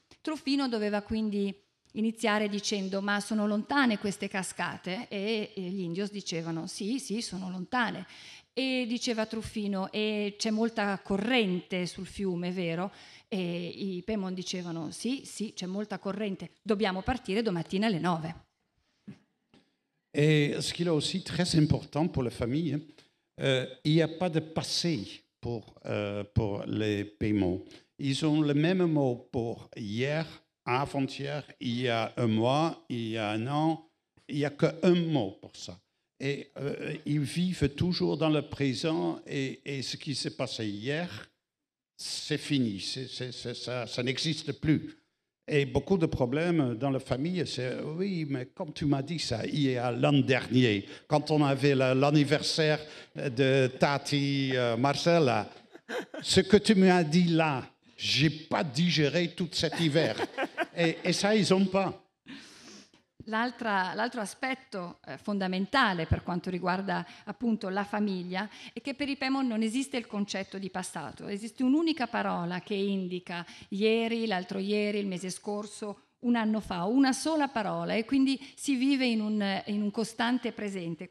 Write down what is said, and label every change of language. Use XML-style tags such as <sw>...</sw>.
<it>Truffino doveva quindi iniziare dicendo ma sono lontane queste cascate e gli indios dicevano sì, sì, sono lontane. E diceva Truffino e c'è molta corrente sul fiume, vero? E i Paimon dicevano sì, sì, c'è molta corrente, dobbiamo partire domattina alle 9.</it> <fr>E ce qui est aussi très important pour la famille, il n'y a pas de passé pour les Paimon. Ils ont le même mot pour hier, avant-hier, il y a un mois, il y a un an, il n'y a qu'un mot pour ça. Et ils vivent toujours dans le présent et ce qui s'est passé hier, c'est fini, ça n'existe plus. Et beaucoup de problèmes dans la famille, c'est « oui, mais comme tu m'as dit ça, il y a l'an dernier, quand on avait l'anniversaire de Tati Marcella, ce que tu m'as dit là, je n'ai pas digéré tout cet hiver. » Et ça, ils n'ont pas.</fr> <it>L'altro aspetto fondamentale per quanto riguarda appunto la famiglia è che per i Paimon non esiste il concetto di passato, esiste un'unica parola che indica ieri, l'altro ieri, il mese scorso, un anno fa, una sola parola e quindi si vive in un costante presente.</it>